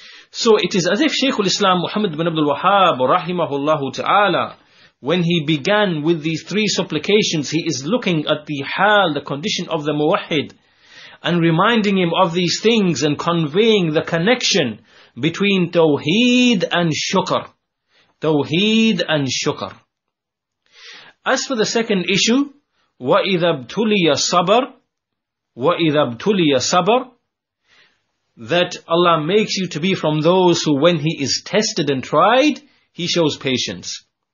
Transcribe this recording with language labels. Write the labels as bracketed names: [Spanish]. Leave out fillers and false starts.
[English] So it is as if Shaykh al-Islam Muhammad bin Abdul Wahhab, rahimahullahu ta'ala, when he began with these three supplications, he is looking at the hal, the condition of the muwahhid, and reminding him of these things and conveying the connection between tawheed and shukr. Tawheed and shukr. As for the second issue, [Arabic] وَإِذَا ابْتُلِيَ صَبَرْ, وَإِذَا ابْتُلِيَ صَبَرْ, [English] that Allah makes you to be from those who, when He is tested and tried, He shows patience.